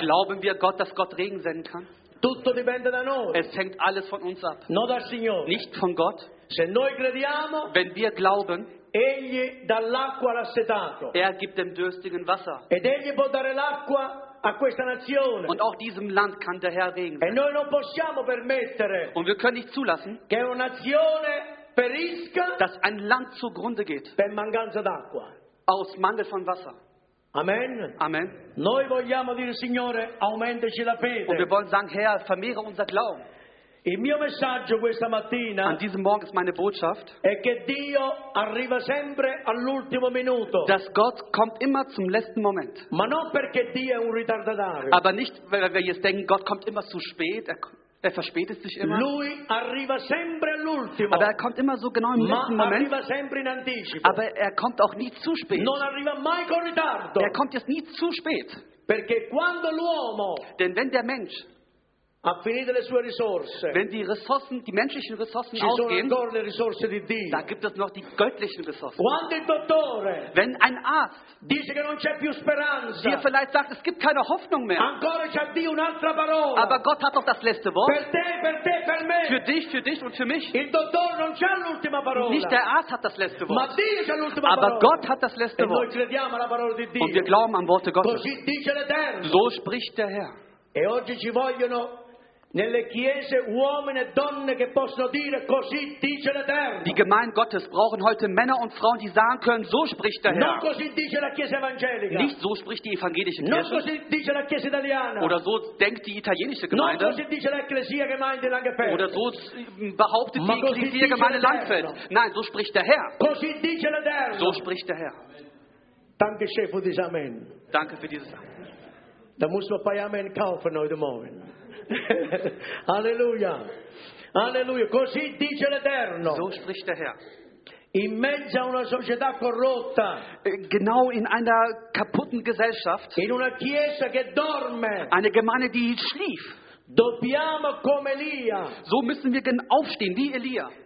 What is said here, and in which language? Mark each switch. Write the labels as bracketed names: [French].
[German] Glauben wir Gott, dass Gott Regen senden kann? [Italian] Tutto dipende da noi. [German] Es hängt alles von uns ab. [Italian] Non dal Signore. [German] Nicht von Gott. [Italian] Se noi crediamo. [German] Wenn wir glauben. [Italian] Egli dall'acqua l'ha setato. [German] Er gibt dem Dürstigen Wasser. [Italian] Ed egli può dare l'acqua a questa nazione. [German] Und auch diesem Land kann der Herr Regen senden. [Italian] E noi non possiamo permettere. [German] Und wir können nicht zulassen. [Italian] Che una nazione perisca. [German] Dass ein Land zugrunde geht. [Italian] Per mancanza d'acqua. [German] Aus Mangel von Wasser. Amen. Amen. [Italian] Noi vogliamo dire Signore, aumentaci la fede. [German] Und wir wollen sagen, Herr, vermehre unser Glauben. [Italian] Il mio messaggio questa mattina. [German] An diesem Morgen ist meine Botschaft. [Italian] È che Dio arriva sempre all'ultimo minuto. [German] Dass Gott kommt immer zum letzten Moment. [Italian] Ma non perché Dio è un ritardatario. [German] Aber nicht, weil wir jetzt denken, Gott kommt immer zu spät. Er verspätet sich immer. [Italian] Lui arriva sempre all'ultimo. [German] Aber er kommt immer so genau im letzten Moment. [Italian] Arriva sempre in anticipo. [German] Aber er kommt auch nie zu spät. [Italian] Non arriva mai con ritardo. [German] Er kommt jetzt nie zu spät. [Italian] Perché quando l'uomo. [German] Denn wenn der Mensch. [Italian] Ha finito le sue risorse. [German] Wenn die Ressourcen, die menschlichen Ressourcen [Italian] ci [German] ausgehen, [Italian] sono ancora le risorse di Dio. [German] Da gibt es noch die göttlichen Ressourcen. [Italian] Quando il dottore. [German] Wenn ein Arzt. [Italian] Dice che non c'è più speranza. [German] Dir vielleicht sagt, es gibt keine Hoffnung mehr. [Italian] Ancora c'è Dio un'altra parola. [German] Aber Gott hat doch das letzte Wort. [Italian] Per te, per me. [German] Für dich und für mich. [Italian] Il dottore non c'ha l'ultima parola. [German] Nicht der Arzt hat das letzte Wort. [Italian] Ma Dio c'ha l'ultima [German] Aber [Italian] parola. [German] Gott hat das letzte [Italian] e [German] Wort. [Italian] E noi crediamo alla parola di Dio. [German] Und wir glauben am Worte Gottes. [Italian] Così dice l'Eterno. [German] So spricht der Herr. [Italian] E oggi ci vogliono nelle chiese uomini e donne che possono dire così dice l'Eterno. [German] Die Gemeinde Gottes brauchen heute Männer und Frauen, die sagen können, so spricht der Herr. [Italian] Non così dice la chiesa evangelica. [German] Nicht so spricht die evangelische Kirche. [Italian] Non così dice la chiesa italiana. [German] Oder so denkt die italienische Gemeinde. [Italian] Non così dice l'ecclesia Gemeinde Langenfeld. [German] Oder so behauptet die ecclesia Gemeinde Langenfeld. Nein, so spricht der Herr. [Italian] Così dice l'Eterno. [German] So spricht der Herr. Danke schön für dieses Amen. Danke für dieses Da muss man ein paar Amen kaufen heute Morgen. [Italian] Alleluia. Alleluia. Così dice l'Eterno. [German] So spricht der Herr. [Italian] In mezzo a una società corrotta, [German] genau in einer kaputten Gesellschaft, [Italian] in una chiesa che dorme, [German] eine Gemeinde, die schlief, [Italian] dobbiamo come Elia, [German] so müssen wir aufstehen wie Elia,